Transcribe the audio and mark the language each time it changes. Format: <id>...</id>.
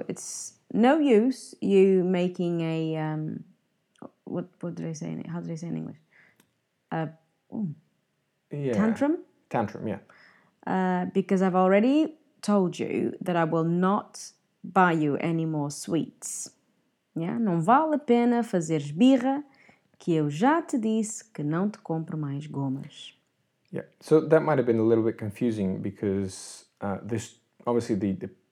<en>So it's no use you making a, what do they say in it? How do they say in English? Tantrum? Tantrum, yeah. Because I've already told you that I will not buy you any more sweets. Yeah?</en> <pt>Não vale a pena fazeres birra que eu já te disse que não te compro mais gomas.</pt> <en>Yeah, so that might have been a little bit confusing because this obviously the</en>